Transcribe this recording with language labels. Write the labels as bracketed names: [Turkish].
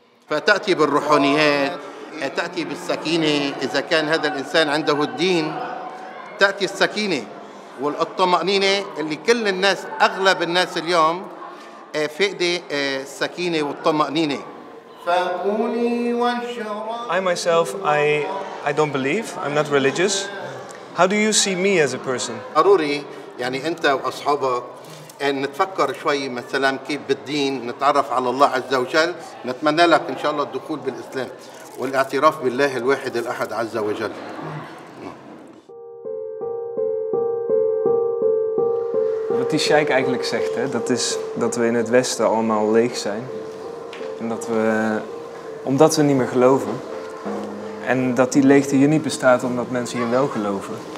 [Arabic] فتأتي بالروحانيات، تأتي بالسكينة، إذا كان هذا الإنسان عنده الدين تأتي السكينة والطمأنينة اللي كل الناس، أغلب الناس اليوم فقدي السكينة والطمأنينة. فقولي واشرب. [English] I myself, I don't believe, I'm not religious. How do you see me as a person? [Arabic] ضروري يعني أنت وأصحابك أن نتفكر شوي مثلا كيف بالدين، نتعرف على الله عز وجل، نتمنى لك إن شاء الله الدخول بالإسلام والاعتراف بالله الواحد الأحد عز وجل. [Dutch] Wat die Sheikh eigenlijk zegt, hè, dat is dat we in het Westen allemaal leeg zijn. En dat we, omdat we niet meer geloven. En dat die leegte hier niet bestaat omdat mensen hier wel geloven.